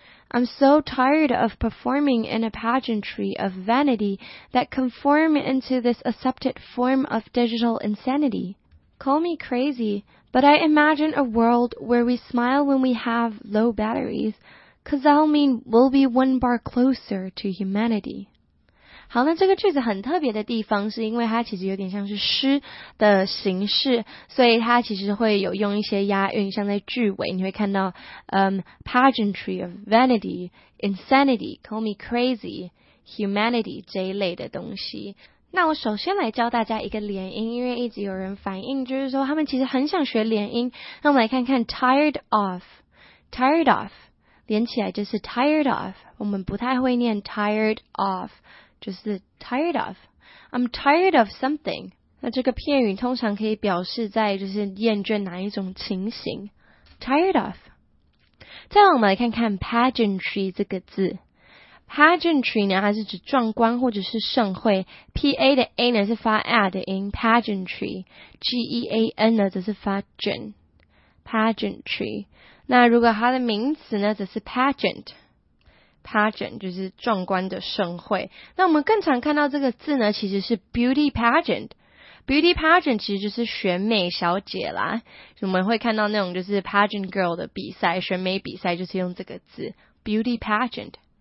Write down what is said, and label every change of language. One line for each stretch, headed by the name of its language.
English: I'm so tired of performing in a pageantry of vanity that conform into this accepted form of digital insanity. Call me crazy, but I imagine a world where we smile when we have low batteries, 'cause that'll mean we'll be one bar closer to humanity.
Chinese: 好，那这个句子很特别的地方是因为它其实有点像是诗的形式，所以它其实会有用一些押韵，像在句尾你会看到 pageantry of vanity, insanity, call me crazy, humanity 这一类的东西。那我首先来教大家一个连音，因为一直有人反映就是说他们其实很想学连音，那我们来看看 tired of, tired of, 连起来就是 tired of, 我们不太会念 tired of,就是 tired of, I'm tired of something. 那这个片语通常可以表示在就是厌倦哪一种情形。
English: Tired of.
Chinese: 再来我们来看看 pageantry 这个字。Pageantry 呢，它是指壮观或者是盛会。 P-A 的 A 呢是发 A 的音 ，pageantry。 G-E-A-N 呢则是发 gen。
English: Pageantry。
Chinese: 那如果它的名词呢，则是 pageant。Pageant 就是壮观的盛会。那我们更常看到这个字呢，其实是 beauty pageant。 Beauty pageant 其实就是选美小姐啦。我们会看到那种就是 pageant girl 的比赛，选美比赛就是用这个字 beauty pageant。